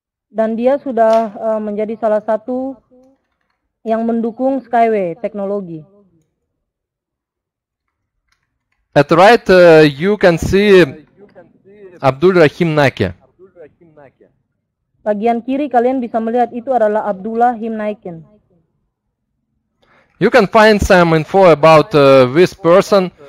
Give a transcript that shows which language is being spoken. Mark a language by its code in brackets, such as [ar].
[id] Dan dia sudah menjadi salah satu yang mendukung Skyway teknologi. [en] At right, you can see Abdul Rahim Naike. [id] Bagian kiri kalian bisa melihat itu adalah Abdullah Himnaikin. [en] You can find some info about this person.